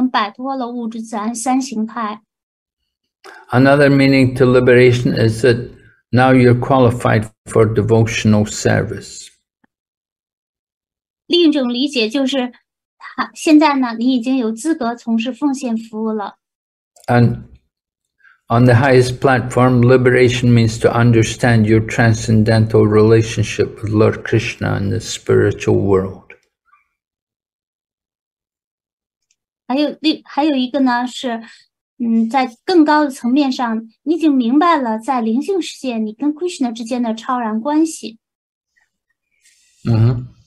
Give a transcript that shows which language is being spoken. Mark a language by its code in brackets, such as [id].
[zh] 我们可以就解脱这个问题可以有不同的理解。一种理解就是他们已经摆脱了物质自然三形态。 [en] Another meaning to liberation is that now you're qualified for devotional service. [zh] 另一种理解就是现在呢，你已经有资格从事奉献服务了。 [en] And on the highest platform, liberation means to understand your transcendental relationship with Lord Krishna in the spiritual world. [zh] 还有一个呢是，在更高的层面上，你已经明白了在灵性世界你跟 Krishna 之间的超然关系。嗯。